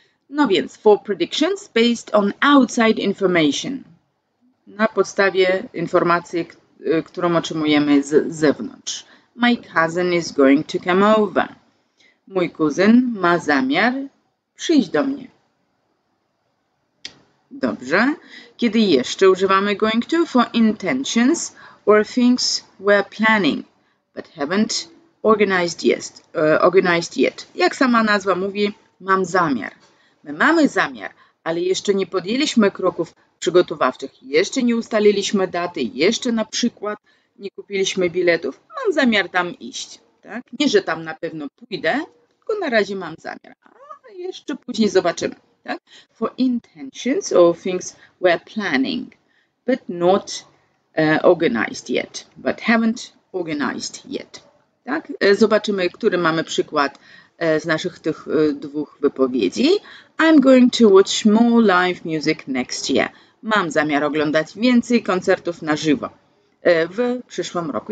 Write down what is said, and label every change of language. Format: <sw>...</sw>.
<pl>No więc,</pl> <en>for predictions based on outside information.</en> <pl>Na podstawie informacji, którą otrzymujemy z zewnątrz.</pl> <en>My cousin is going to come over.</en> <pl>Mój kuzyn ma zamiar przyjść do mnie. Dobrze. Kiedy jeszcze używamy going to?</pl> <en>For intentions or things we're planning, but haven't organized yet.</en> <pl>Jak sama nazwa mówi, mam zamiar. My mamy zamiar, ale jeszcze nie podjęliśmy kroków przygotowawczych, jeszcze nie ustaliliśmy daty, jeszcze na przykład nie kupiliśmy biletów. Mam zamiar tam iść, tak? Nie, że tam na pewno pójdę, tylko na razie mam zamiar. A jeszcze później zobaczymy, tak?</pl> <en>For intentions or things we're planning, but not organized yet, but haven't organized yet, tak?</en> <pl>Zobaczymy, który mamy przykład z naszych tych dwóch wypowiedzi.</pl> <en>I'm going to watch more live music next year.</en> <pl>Mam zamiar oglądać więcej koncertów na żywo w przyszłym roku.</pl>